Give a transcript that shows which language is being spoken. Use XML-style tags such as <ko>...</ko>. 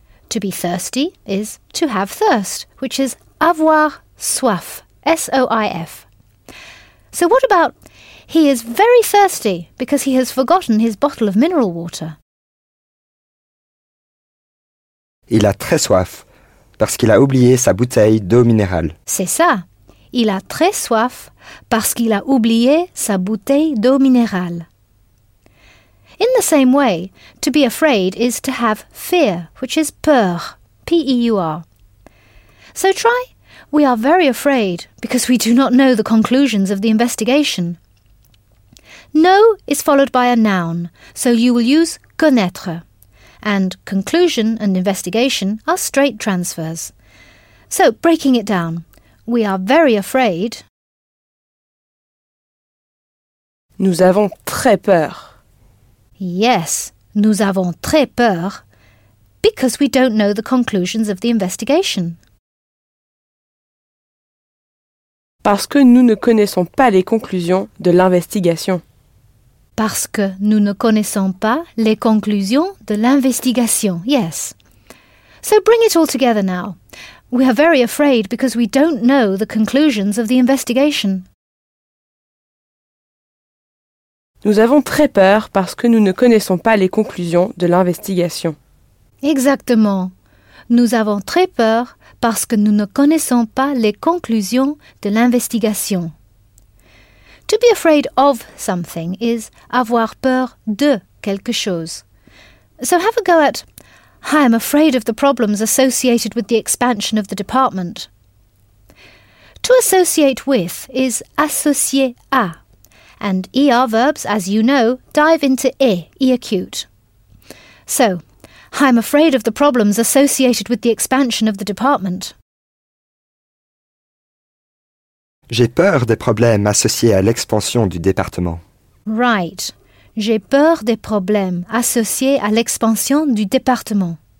<en>To be thirsty is to have thirst, which is</en> <fr>avoir soif,</fr> <en>S-O-I-F. So what about he is very thirsty because he has forgotten his bottle of mineral water?</en> <fr>Il a très soif parce qu'il a oublié sa bouteille d'eau minérale. C'est ça. Il a très soif parce qu'il a oublié sa bouteille d'eau minérale.</fr> <en>In the same way, to be afraid is to have fear, which is peur, P-E-U-R. So try, we are very afraid because we do not know the conclusions of the investigation. No is followed by a noun, so you will use connaître. And conclusion and investigation are straight transfers. So, breaking it down. We are very afraid.</en> <fr>Nous avons très peur. Yes, nous avons très peur.</fr> <en>Because we don't know the conclusions of the investigation.</en> <fr>Parce que nous ne connaissons pas les conclusions de l'investigation. Parce que nous ne connaissons pas les conclusions de l'investigation, yes.</fr> <en>So bring it all together now. We are very afraid because we don't know the conclusions of the investigation.</en> <fr>Nous avons très peur parce que nous ne connaissons pas les conclusions de l'investigation. Exactement. Nous avons très peur parce que nous ne connaissons pas les conclusions de l'investigation.</fr> <en>To be afraid of something is</en> <fr>avoir peur de quelque chose.</fr> <en>So have a go at, I am afraid of the problems associated with the expansion of the department. To associate with is associer à, and ER verbs, as you know, dive into e acute. So, I am afraid of the problems associated with the expansion of the department.</en> <fr>J'ai peur des problèmes associés à l'expansion du département.</fr> <en>Right.</en> <fr>J'ai peur des problèmes associés à l'expansion du département.</fr>